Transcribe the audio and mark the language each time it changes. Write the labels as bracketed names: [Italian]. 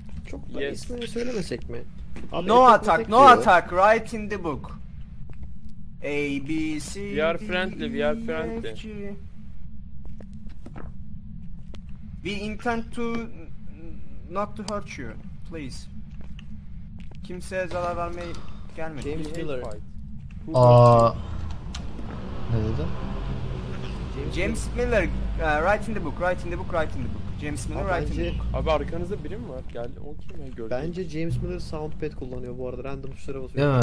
[Turkish] Çok da yes. İsmini söylemesek mi? Abi, [English] no attack, no [Turkish] diyor. [English] Attack, write in the book. A, B, C, D, we are friendly, we are friendly. F, G. We intend to not to hurt you, please. [Turkish] Kimseye zarar vermeye gelmedi. [English] James Miller. [Turkish] Ne dedi? [English] James Miller, write in the book, write in the book, write in the book. James Miller, abi, write bence, in the book. [Turkish] Abi arkanızda biri mi var? Gel, o kim gördüm. Bence James Miller soundpad kullanıyor bu arada, random tuşlara basıyor.